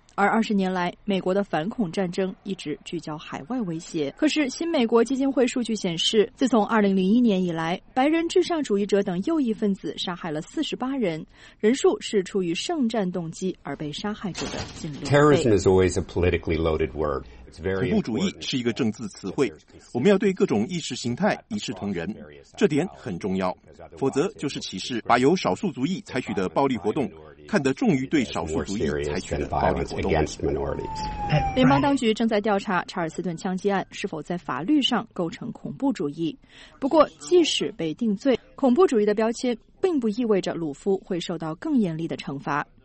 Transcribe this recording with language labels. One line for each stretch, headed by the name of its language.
Chinese: 而20年来，美国的反恐战争一直聚焦海外威胁。可是新美国基金会数据显示，自从2001年以来，白人至上主义者等右翼分子杀害了48人，人数是出于圣战动机而被杀害者的近6倍。
English: Terrorism is always a politically loaded word.
Chinese: 恐怖主义是一个政治词汇，我们要对各种意识形态一视同仁，这点很重要，否则就是歧视，把由少数族裔采取的暴力活动看得重于对少数族裔采取的暴力活动。联邦当局正在调查查尔斯顿枪击案是否在法律上构成恐怖主义，不过即使被定罪，恐怖主义的标签并不意味着鲁夫会受到更严厉的惩罚。